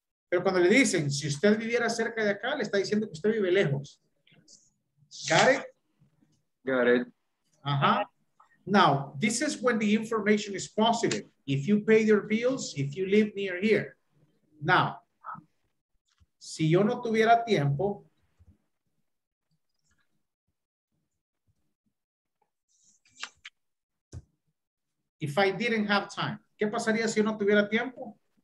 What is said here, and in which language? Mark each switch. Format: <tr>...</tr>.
<es>Pero cuando le dicen, si usted viviera cerca de acá, le está diciendo que usted vive lejos.</es> <en>Got it? Got it. Uh-huh. Now, this is when the information is positive. If you pay your bills, if you live near here. Now,</en> <es>si yo no tuviera tiempo,</es> <en>if I didn't have time,</en> <es>¿qué pasaría si yo no tuviera tiempo?</es>